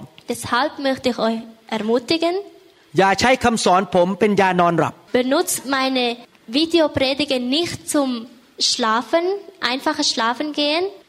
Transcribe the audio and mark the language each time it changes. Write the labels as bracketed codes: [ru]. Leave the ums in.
[de] Deshalb möchte ich euch ermutigen [th] อย่าใช้คำสอนผมเป็นยานอนหลับ [de] ja, so so Benutz meine Videopredigen nicht zum Schlafen einfach schlafen gehen